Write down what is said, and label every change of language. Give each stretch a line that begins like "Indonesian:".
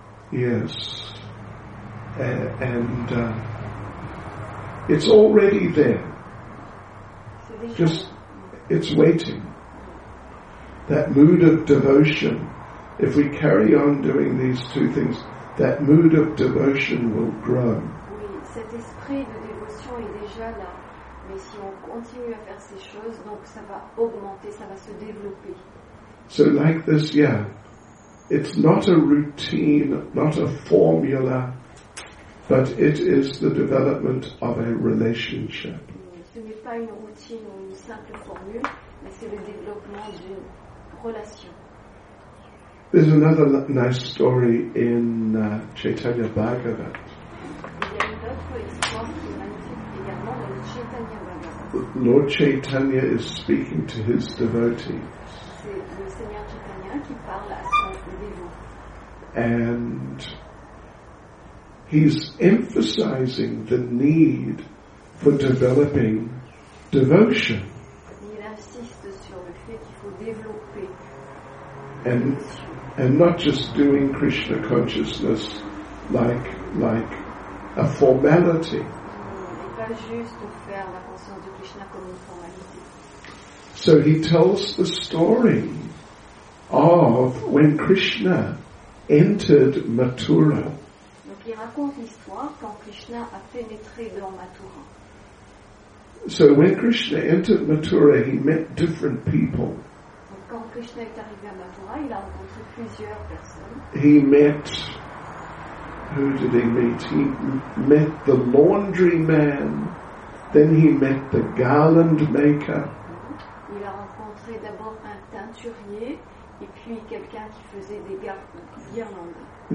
English: Yes. And it's already there. Just, it's waiting. That mood of devotion, if we carry on doing these two things, that mood of devotion will grow.
French: Oui, cet esprit de dévotion est déjà là. Mais si on continue à faire ces choses, donc ça va augmenter, ça va se développer.
English: So like this, yeah. It's not a routine, not a formula, but it is the development of a relationship.
French: Ce n'est pas une routine ou une simple formule, mais c'est le développement d'une relation.
English: There's another nice story in Chaitanya Bhagavat.
French: Il y a une autre histoire qui est magnifique également dans le Chaitanya Bhagavat.
English: Lord Chaitanya is speaking to his devotees.
French: C'est le Seigneur Chaitanya qui parle à son dévot.
English: And he's emphasizing the need for developing devotion.
French: Il insiste sur le fait qu'il faut développer.
English: And not just doing Krishna consciousness like a formality.
French: Et pas juste faire la conscience de Krishna comme une formalité.
English: So he tells the story of when Krishna entered Mathura.
French: Il raconte l'histoire quand Krishna a pénétré dans Mathura.
English: So when Krishna entered Mathura, he met different people.
French: Quand Krishna est arrivé à Mathura, il a rencontré plusieurs personnes.
English: He met, who did he meet? He met the laundry man, then he met the garland maker.
French: Il a rencontré d'abord un teinturier et puis quelqu'un qui faisait des guirlandes.